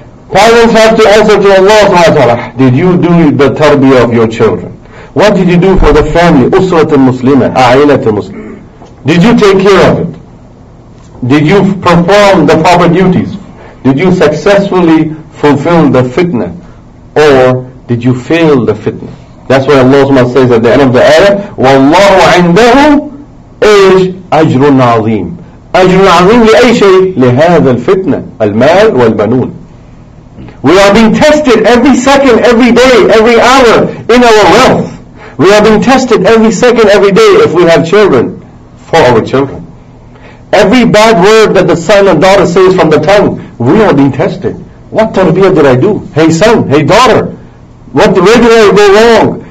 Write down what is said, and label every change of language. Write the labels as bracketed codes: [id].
[en] Parents have to answer to Allah subhanahu wa ta'ala. Did you do the tarbiyah of your children? What did you do for the family? [ar] Uswat al-Muslimah, a'ilat al-Muslimah. [en] Did you take care of it? Did you perform the proper duties? Did you successfully fulfill the fitna? Or did you fail the fitna? That's why Allah subhanahu says at the end of the ayah, [ar] وَاللَّهُ عِنْدَهُ إِجْ أَجْرٌ عَظِيمٌ أَجْرٌ عَظِيمٌ لِأَيْ شَيْءٍ لِهَذَا الْفِتْنَةِ الْمَالِ وَالْبَنُونَ. [en] We are being tested every second, every day, every hour in our wealth. We are being tested every second, every day if we have children, for our children. Every bad word that the son and daughter says from the tongue, we are being tested. What tarbiyah did I do? Hey son, hey daughter, what, where did I go wrong?